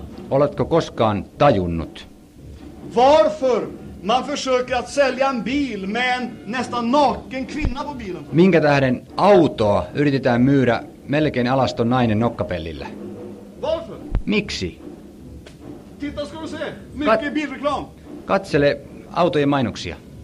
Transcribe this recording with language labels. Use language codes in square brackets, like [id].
[fi] Oletko koskaan tajunnut? [sv] Varför man försöker att sälja en bil med en nästan naken kvinna på bilen? [fi] Minkä tähden autoa yritetään myydä melkein alaston nainen nokkapellillä? [sv] Varför? [fi] Miksi? [sv] Titta, ska du se. Mycket bilreklam. [fi] Katsele autojen mainoksia.